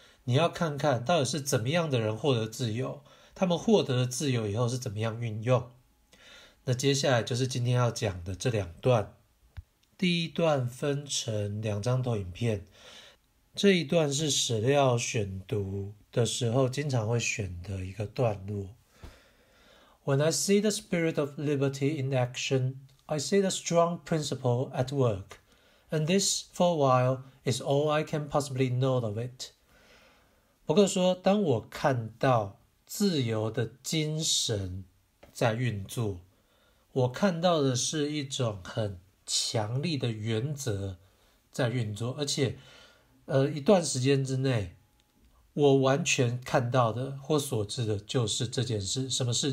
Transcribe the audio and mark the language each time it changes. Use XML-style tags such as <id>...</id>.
<zh>你要看看到底是怎么样的人获得自由，他们获得了自由以后是怎么样运用。那接下来就是今天要讲的这两段。第一段分成两张投影片，这一段是史料选读的时候经常会选的一个段落。</zh> <en>When I see the spirit of liberty in action, I see the strong principle at work, and this, for a while, is all I can possibly know of it.</en> <zh>伯克说，当我看到自由的精神在运作，我看到的是一种很强力的原则在运作，而且一段时间之内，我完全看到的或所知的就是这件事。什么事？</zh>